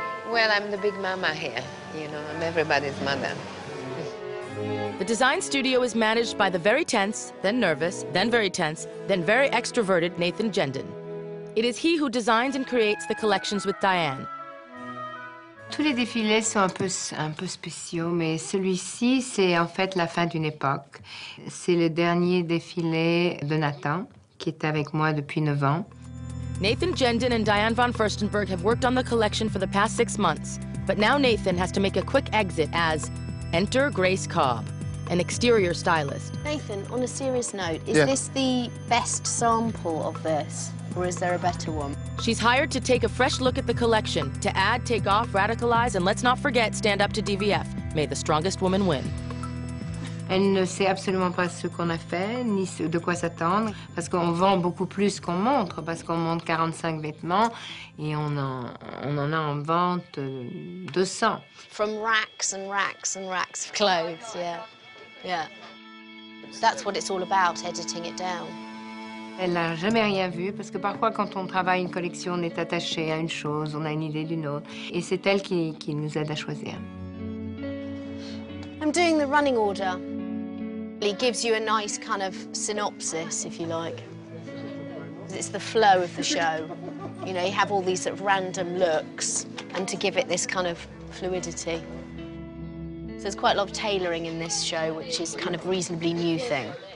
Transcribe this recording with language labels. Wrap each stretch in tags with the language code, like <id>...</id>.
<en>Well, I'm the big mama here, you know, I'm everybody's mother. The design studio is managed by the very tense, then nervous, then very tense, then very extroverted Nathan Jendon. It is he who designs and creates the collections with Diane.</en> <fr>Tous les défilés sont un peu spéciaux, mais celui-ci, c'est en fait la fin d'une époque. C'est le dernier défilé de Nathan, qui est avec moi depuis 9 ans.</fr> <en>Nathan Jendon and Diane Von Furstenberg have worked on the collection for the past 6 months, but now Nathan has to make a quick exit as enter Grace Cobb, an exterior stylist. Nathan, on a serious note, is this the best sample of this? Or is there a better one? She's hired to take a fresh look at the collection, to add, take off, radicalize, and let's not forget, stand up to DVF. May the strongest woman win.</en> <fr>Elle ne sait absolument pas ce qu'on a fait, ni de quoi s'attendre, parce qu'on vend beaucoup plus qu'on montre, parce qu'on montre 45 vêtements, et on en a en vente 200.</fr> <en>From racks and racks and racks of clothes, yeah. Yeah. That's what it's all about, editing it down.</en> <fr>Elle n'a jamais rien vu, parce que parfois, quand on travaille une collection, on est attaché à une chose, on a une idée d'une autre. Et c'est elle qui nous aide à choisir.</fr> <en>I'm doing the running order. It gives you a nice kind of synopsis, if you like. It's the flow of the show. You know, you have all these sort of random looks, and to give it this kind of fluidity. So there's quite a lot of tailoring in this show, which is kind of a reasonably new thing.</en>